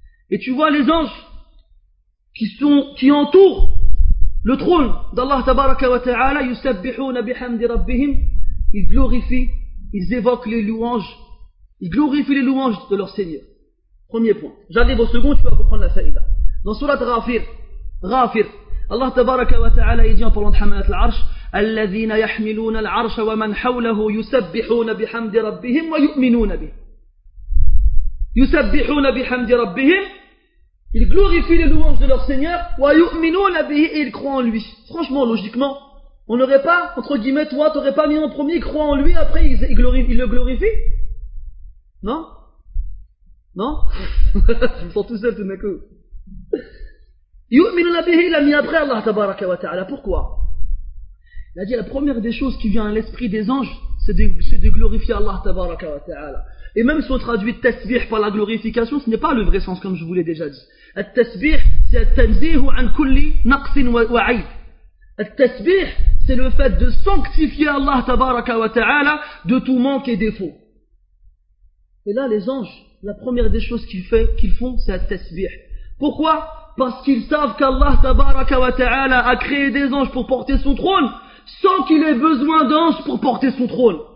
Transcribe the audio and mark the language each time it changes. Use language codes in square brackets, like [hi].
[fr] Et tu vois les anges qui entourent le trône d'Allah Tabaraka wa Ta'ala, [ar] yusabbihuna bihamdi rabbihim, [fr] ils glorifient, ils évoquent les louanges, ils glorifient les louanges de leur Seigneur. Premier point. J'arrive au second, tu vas comprendre la faïda. Dans sourate Ghafir, Ghafir, [ar] الله تبارك وتعالى يجيهم طلوع حملة العرش الذين يحملون العرش ومن حوله يسبحون بحمد ربهم ويؤمنون به يسبحون بحمد ربهم [fr] ils glorifient les louanges de leur Seigneur [ar] ويؤمنون به [fr] et ils croient en lui. Franchement, logiquement, on n'aurait pas, entre guillemets, toi, t'aurais pas mis en premier croit en lui, après ils le glorifient? Non? Non? Je me sens tout seul tout d'un coup. [ar] يؤمنون به لم يبقي الله تبارك وتعالى. [fr] Pourquoi? Il a dit la première des choses qui vient à l'esprit des anges, c'est de glorifier Allah تبارك وتعالى. Et même si on traduit tasbih par la glorification, ce n'est pas le vrai sens comme je vous l'ai déjà dit. [ar] التسبيح [fr] c'est [ar] التنزيه عن كل نقص وعيب. [fr] التسبيح c'est le fait de sanctifier Allah تبارك وتعالى de tout manque et défaut. Et là les anges, la première des choses qu'ils font, c'est التسبيح. Pourquoi? Parce qu'ils savent qu'Allah tabaraka wa ta'ala a créé des anges pour porter son trône, sans qu'il ait besoin d'anges pour porter son trône.